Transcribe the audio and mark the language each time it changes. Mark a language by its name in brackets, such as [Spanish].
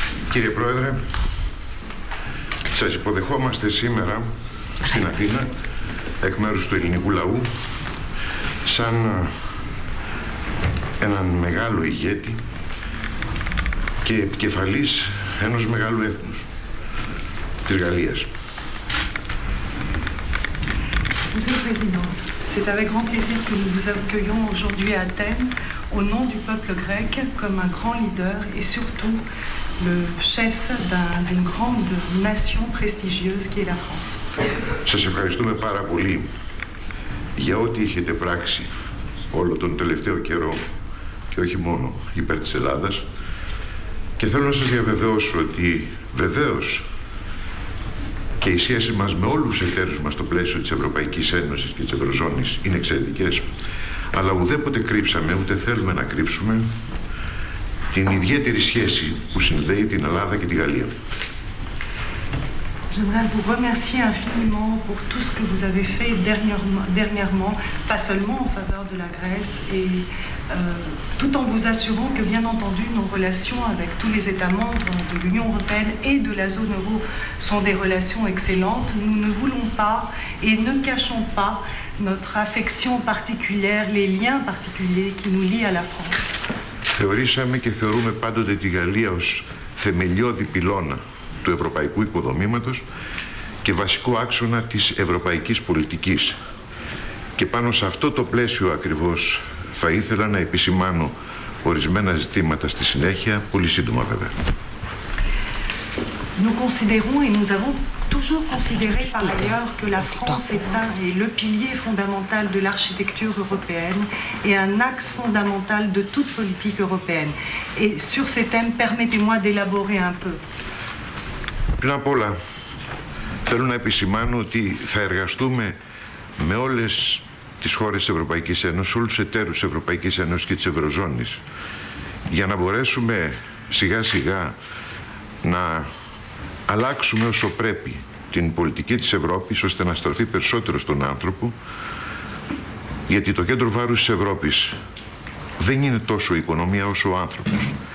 [Greek] Κύριε Πρόεδρε, σας υποδεχόμαστε σήμερα στην Αθήνα εκ μέρους του ελληνικού λαού σαν έναν μεγάλο ηγέτη και επικεφαλής ενός μεγάλου έθνους, της Γαλλίας. [French] Monsieur le Président, c'est avec grand plaisir que nous vous accueillons aujourd'hui à Athènes au nom du peuple grec comme un grand leader et surtout le chef d'une grande nation prestigieuse qui est la France. [Greek] Σας ευχαριστούμε πάρα πολύ για ό,τι έχετε πράξει όλο τον τελευταίο καιρό και όχι μόνο υπέρ της Ελλάδας. Και θέλω να σας διαβεβαιώσω ότι βεβαίως και οι σχέσεις μας με όλους τους εταίρους μας στο πλαίσιο της Ευρωπαϊκής Ένωσης και της Ευρωζώνης είναι εξαιρετικές, αλλά ουδέποτε κρύψαμε, ούτε θέλουμε να κρύψουμε την ιδιαίτερη σχέση που συνδέει την Ελλάδα και τη Γαλλία. [French] J'aimerais vous remercier infiniment pour tout ce que vous avez fait dernièrement, pas seulement en faveur de la Grèce, et tout en vous assurant que, bien entendu, nos relations avec tous les États membres de l'Union européenne et de la zone euro sont des relations excellentes. Nous ne voulons pas et ne cachons pas notre affection particulière, les liens particuliers qui nous lient à la France. [Greek] Θεωρήσαμε και θεωρούμε πάντοτε τη Γαλλία ως θεμελιώδη πυλώνα του ευρωπαϊκού οικοδομήματος και βασικό άξονα της ευρωπαϊκής πολιτικής. Και πάνω σε αυτό το πλαίσιο ακριβώς θα ήθελα να επισημάνω ορισμένα ζητήματα στη συνέχεια, πολύ σύντομα βέβαια. [French] Nous considérons et nous avons toujours considéré par ailleurs que la France est un et le pilier fondamental de l'architecture européenne et un axe fondamental de toute politique européenne. Et sur ces thèmes, permettez-moi d'élaborer un peu. [Greek] Πριν απ' όλα, θέλω να επισημάνω ότι θα εργαστούμε με όλες τις χώρες της Ευρωπαϊκής Ένωσης, όλους τους εταίρους της Ευρωπαϊκής Ένωσης και της Ευρωζώνης, για να μπορέσουμε σιγά σιγά να αλλάξουμε όσο πρέπει την πολιτική της Ευρώπης, ώστε να στραφεί περισσότερο στον άνθρωπο, γιατί το κέντρο βάρους της Ευρώπης δεν είναι τόσο η οικονομία όσο ο άνθρωπος.